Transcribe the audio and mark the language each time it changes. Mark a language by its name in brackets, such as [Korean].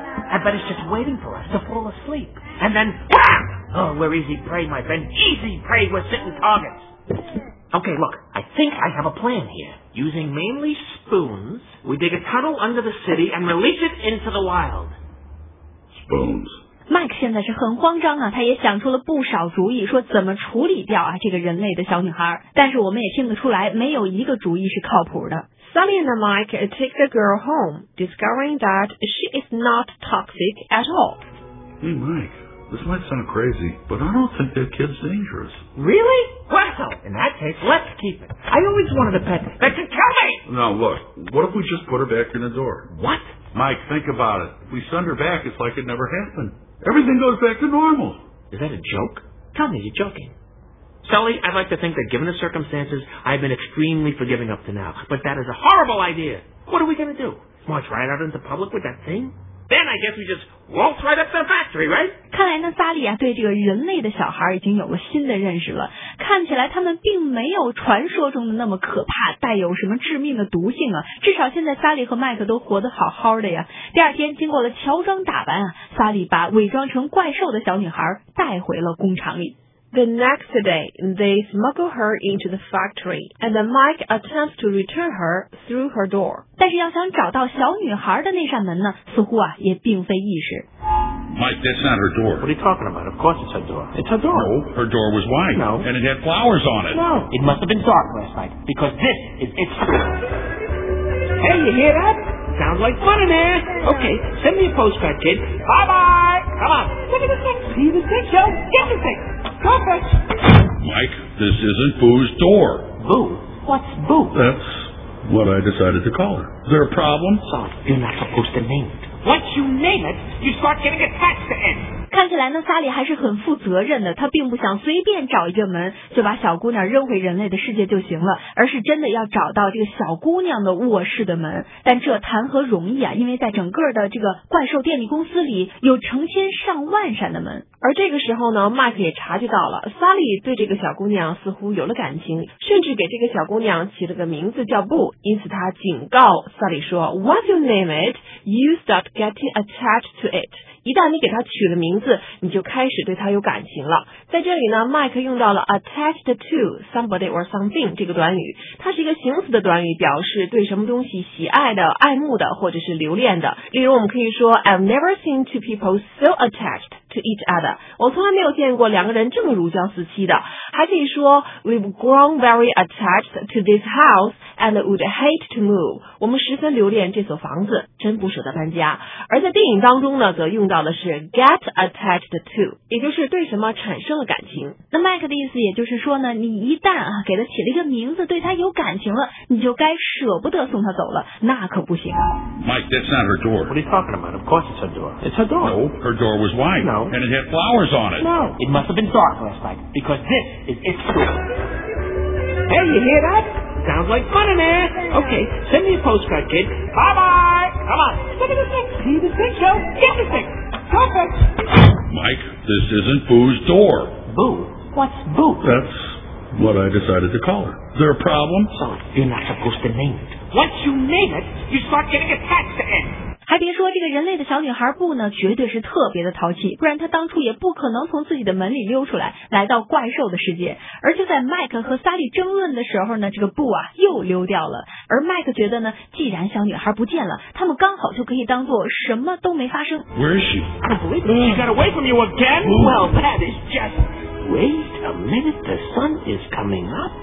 [English] I bet it's just waiting for us to fall asleep. And then, bam! Oh, we're easy prey, my friend. Easy prey, we're sitting targets. Okay, look, I think I have a plan here. Using mainly spoons, we dig a tunnel under the city and release it into the wild. Spoons. [Chinese] Mike 现在是很慌张啊，他也想出了不少主意，说怎么处理掉啊这个人类的小女孩。但是我们也听得出来，没有一个主意是靠谱的。 [English] Sally and Mike take the girl home, discovering that she is not toxic at all. Hey Mike, this might sound crazy, but I don't think that kid's dangerous. Really? Well, in that case, let's keep it. I always wanted a pet that could kill me. Now look, what if we just put her back in the door? What? Mike, think about it. If we send her back, it's like it never happened. Everything goes back to normal. Is that a joke? Tell me you're joking. Sally, I'd like to think that given the circumstances, I've been extremely forgiving up to now. But that is a horrible idea. What are we going to do? March right out into public with that thing? Then I guess we just Walt's right up the factory, right? [Chinese] 看来呢，萨利啊，对这个人类的小孩已经有了新的认识了。看起来他们并没有传说中的那么可怕，带有什么致命的毒性啊。至少现在萨利和麦克都活得好好的呀。第二天，经过了乔装打扮啊，萨利把伪装成怪兽的小女孩带回了工厂里。 [English] The next day, they smuggle her into the factory, and Mike attempts to return her through her door. [Chinese] 但是要想找到小女孩的那扇门呢，似乎啊也并非易事。 [English] Mike, that's not her door. What are you talking about? Of course it's her door. It's her door. No, her door was wide. No. And it had flowers on it. No. It must have been dark last night, because this is its door. Hey, you hear that? Sounds like fun in there. Okay, send me a postcard, kid. Bye-bye. Come on. Look at this thing. See this thing, Joe? Get this thing. Mike, this isn't Boo's door. Boo? What's Boo? That's what I decided to call her. Is there a problem? Sorry, you're not supposed to name it. Once you name it, you start getting attached to it. [Chinese] 看起来呢，萨利还是很负责任的，他并不想随便找一个门就把小姑娘扔回人类的世界就行了，而是真的要找到这个小姑娘的卧室的门。但这谈何容易啊，因为在整个的这个怪兽电力公司里有成千上万扇的门。而这个时候呢，麦克也察觉到了萨利对这个小姑娘似乎有了感情，甚至给这个小姑娘起了个名字叫布。因此他警告萨利说， [English] Once you name it, you start getting attached to it. [Chinese] 一旦你给她取了名字，你就开始对她有感情了。在这里呢，麦克用到了 [English] attached to somebody or something [Chinese] 这个短语，它是一个形容词的短语，表示对什么东西喜爱的、爱慕的或者是留恋的。例如我们可以说， [English] I've never seen two people so attached to each other. [Chinese] 我从来没有见过两个人这么如胶似漆的。还可以说 [English] We've grown very attached to this house and would hate to move. [Chinese] 我们十分留恋这所房子，真不舍得搬家。而在电影当中呢，则用到的是 get attached to， 也就是对什么产生了感情。那 Mike 的意思也就是说呢，你一旦啊给他起了一个名字，对他有感情了，你就该舍不得送他走了，那可不行。 [English] Mike, that's not her door. What are you talking about? Of course it's her door. It's her door. No, her door was wide. No. And it had flowers on it. No. It must have been dark last night, because this is its door. Hey, you hear that? Sounds like fun in there. Okay, send me a postcard, kid. Bye-bye. Come on. Look at this thing. See this thing, Joe? Get this thing. Perfect. Mike, this isn't Boo's door. Boo? What's Boo? That's what I decided to call her. Is there a problem? Sorry, you're not supposed to name it. Once you name it, you start getting attached to it. [Chinese] 还别说，这个人类的小女孩布呢，绝对是特别的淘气，不然她当初也不可能从自己的门里溜出来，来到怪兽的世界。而就在麦克和萨利争论的时候呢，这个布啊又溜掉了。而麦克觉得呢，既然小女孩不见了，他们刚好就可以当做什么都没发生。 [English] Where is she? I don't believe it. She got away from you again? Well, that is just... Wait a minute, the sun is coming up.